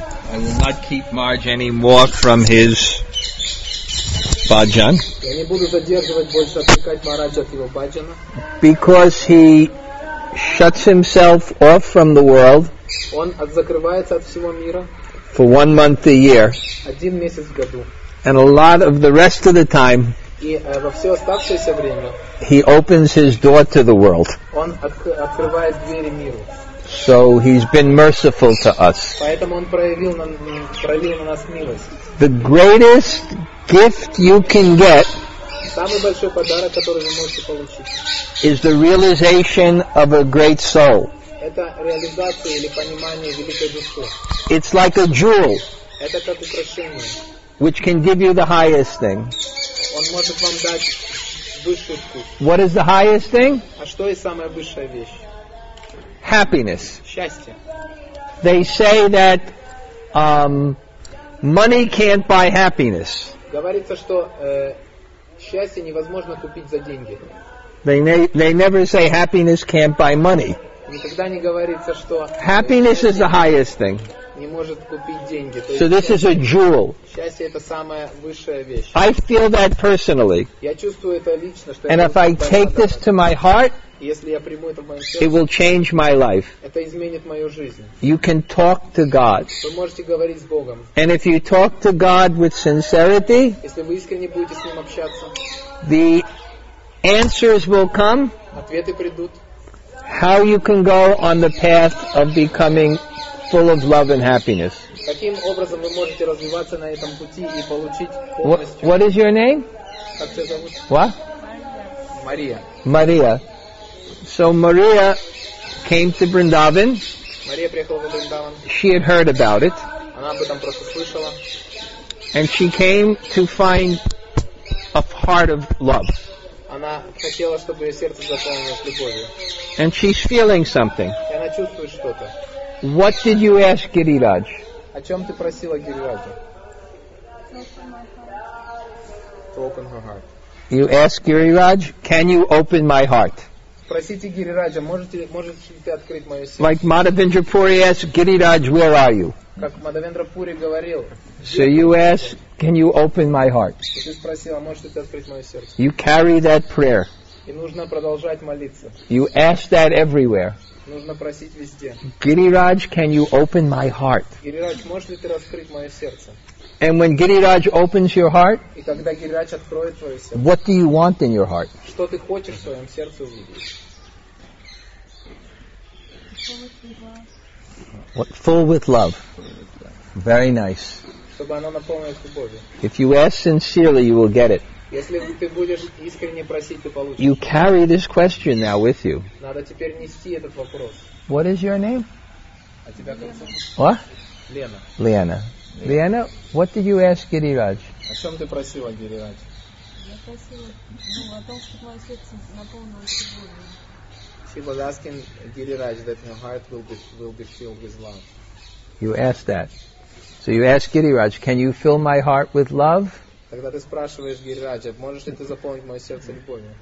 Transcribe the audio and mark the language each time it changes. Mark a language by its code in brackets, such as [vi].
[en] I will not keep Marge anymore from his bhajan. [ru] Я не буду задерживать больше, отвлекать Марадж от его bhajana. [en] Because he shuts himself off from the world. [ru] Он закрывается от всего мира. [en] For 1 month a year. [ru] Один месяц в году. [en] And a lot of the rest of the time. [ru] И во все оставшееся время. [en] He opens his door to the world. [ru] Он открывает двери миру. [en] So he's been merciful to us. [ru] Поэтому он проявил на нас милость. [en] The greatest gift you can get. [ru] Самый большой подарок, который вы можете получить. [en] Is the realization of a great soul. [ru] Это реализация или понимание великой души. [en] It's like a jewel. [ru] Это как украшение. [en] Which can give you the highest thing. [ru] Он может вам дать высший вкус. [en] What is the highest thing? [ru] А что и самая высшая вещь? [en] Happiness. [ru] Счастье. [en] They say that money can't buy happiness. [ru] Говорится, что счастье невозможно купить за деньги. [en] They never say happiness can't buy money. [ru] Никогда не говорится, что [en] happiness is the highest thing. [ru] Не может купить деньги. [en] So this is a jewel. [ru] Счастье это самая высшая вещь. [en] I feel that personally. [ru] Я чувствую это лично, что [en] And if I take this to my heart, [ru] если я приму это в моё сердце, [en] it will change my life. [ru] Это изменит мою жизнь. [en] You can talk to God. [ru] Вы можете говорить с Богом. [en] And if you talk to God with sincerity, [ru] если вы искренне будете с ним общаться, [en] the answers will come. [ru] Ответы придут. [en] How you can go on the path of becoming full of love and happiness. [ru] Каким образом вы можете развиваться на этом пути и получить полностью. [en] What is your name? [ru] Как тебя зовут? [en] What? Maria. Maria. So Maria came to Vrindavan. [ru] Maria приехала в Вриндаван. [en] She had heard about it. [ru] Она об этом просто слышала. [en] And she came to find a heart of love. [ru] Она хотела, чтобы ее сердце заполнилось любовью. [en] And she's feeling something. [ru] И она чувствует что-то. [en] What did you ask Гирирадж? [ru] О чем ты просила Гирираджа? [en] To open her heart. You ask Гирирадж, can you open my heart? [ru] Просите Гирираджа, можете ли ты открыть мое сердце? [en] Like Мадхавендра Пури asked Гирирадж, where are you? [ru] Как Мадхавендра Пури говорил. [en] So you ask, can you open my heart? [ru] Ты спросила, можете ли ты открыть мое сердце? [en] You carry that prayer. [ru] И нужно продолжать молиться. [en] You ask that everywhere. [ru] Нужно просить везде. [en] Гирирадж, can you open my heart? [ru] Гирирадж, можешь ли ты раскрыть мое сердце? [en] And when Giriraj opens your heart, [ru] и когда Гирирадж откроет твое сердце, [en] what do you want in your heart? [ru] Что ты хочешь в своем сердце увидеть? [en] Full with love. Very nice. [ru] Чтобы оно наполнилось любовью. [en] If you ask sincerely, you will get it. [ru] Если ты будешь искренне просить, ты получишь. [en] You carry this question now with you. [ru] Надо теперь нести этот вопрос. [en] What is your name? [ru] А тебя как зовут? [en] What? [ru] Лена. Лена. [en] Лена, what did you ask Гирирадж? [ru] О чем ты просила, Гирирадж? Я просила, о том, чтобы мое сердце наполнилось любовью. [en] She was asking Giriraj that her heart will be filled with love. You asked that. So you ask Giriraj, can you fill my heart with love? [ru] Тогда ты спрашиваешь Гирираджа, можешь ли ты заполнить мое сердце любовью?